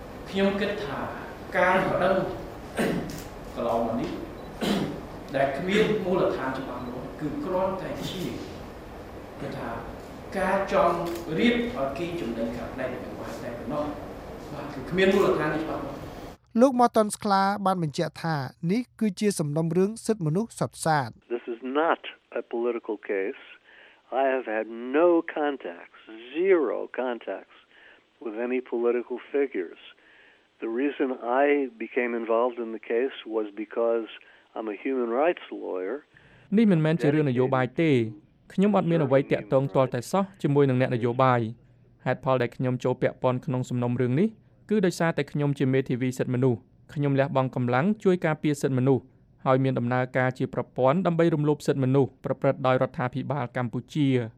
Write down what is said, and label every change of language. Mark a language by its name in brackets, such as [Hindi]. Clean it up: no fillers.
[Khmer] ខ្ញុំគិតថាការប្តឹងកន្លងមកនេះដែលគ្មានមូលដ្ឋានច្បាស់លាស់គឺគ្រាន់តែជាថាការចង់រៀបឲ្យគេចំណេញខាងផ្នែកវិបត្តិតែប៉ុណ្ណោះបាទគឺគ្មានមូលដ្ឋានច្បាស់លាស់លោក Morton Sclar បានបញ្ជាក់ថានេះគឺជាសំណុំរឿងសិទ្ធិមនុស្សសុទ្ធសាធ [English] This is not a political case. I have had no contacts, zero contacts with any political figures. The reason I became involved in the case was because I'm a human rights lawyer. [Khmer] នេះមិនមែនជារឿងនយោបាយទេខ្ញុំអត់មានអ្វីទាក់ទងទាល់តែសោះជាមួយនឹងអ្នកនយោបាយហេតុផលដែលខ្ញុំចូលពាក់ព័ន្ធក្នុងសំណុំរឿងនេះគឺដោយសារតែខ្ញុំជាមេធាវីសិទ្ធិមនុស្សខ្ញុំលះបង់កម្លាំងជួយការពារសិទ្ធិមនុស្សហើយមានដំណើរការជាប្រព័ន្ធដើម្បីរំលោភសិទ្ធិមនុស្សប្រព្រឹត្តដោយរដ្ឋាភិបាលកម្ពុជា